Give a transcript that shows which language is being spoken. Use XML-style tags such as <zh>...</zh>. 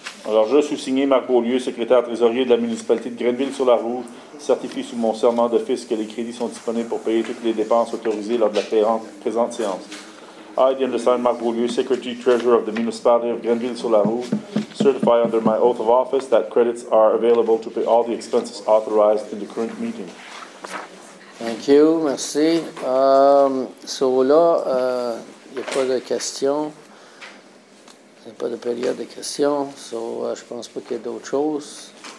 <fr>Alors, je suis signé Marc Beaulieu, secrétaire trésorier de la municipalité de Grenville-sur-la-Rouge. Certifie sous mon serment de fisc que les crédits sont disponibles pour payer toutes les dépenses autorisées lors de la présente séance.</fr> <en>I, the undersigned Marc Beaulieu, Secretary Treasurer of the Municipality of Grenville-sur-la-Rouge, certify under my oath of office that credits are available to pay all the expenses authorized in the current meeting. Thank you.</en> <fr>Merci. So, là, il n'y a pas de questions. Il n'y a pas de période de questions. So, je ne pense pas qu'il y ait d'autres choses.</fr>